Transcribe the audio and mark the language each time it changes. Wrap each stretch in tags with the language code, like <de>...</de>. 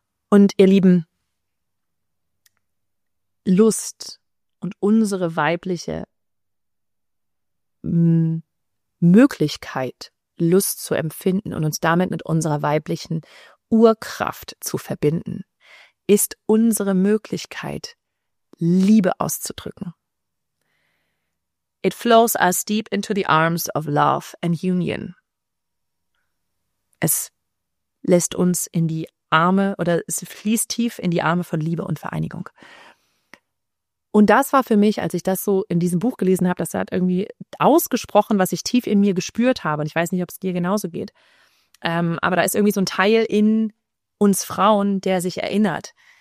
<de>Und ihr Lieben, Lust und unsere weibliche Möglichkeit, Lust zu empfinden und uns damit mit unserer weiblichen Urkraft zu verbinden, ist unsere Möglichkeit, Liebe auszudrücken.</de> <en>It flows us deep into the arms of love and union.</en> <de>Es lässt uns in die Arme, oder es fließt tief in die Arme von Liebe und Vereinigung. Und das war für mich, als ich das so in diesem Buch gelesen habe, das hat irgendwie ausgesprochen, was ich tief in mir gespürt habe. Und ich weiß nicht, ob es dir genauso geht. Aber da ist irgendwie so ein Teil in uns Frauen, der sich erinnert.</de>